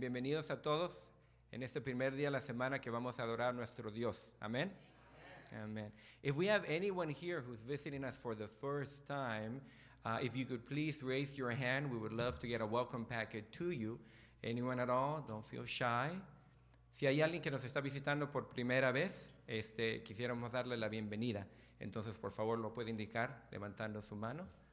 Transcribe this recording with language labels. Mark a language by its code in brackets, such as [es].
[es] Bienvenidos a todos en este primer día de la semana que vamos a adorar a nuestro Dios. Amen? Amen. [en] If we have anyone here who's visiting us for the first time, if you could please raise your hand, we would love to get a welcome packet to you. Anyone at all? Don't feel shy. [es] Si hay alguien que nos está visitando por primera vez, quisiéramos darle la bienvenida. Entonces, por favor, lo puede indicar levantando su mano.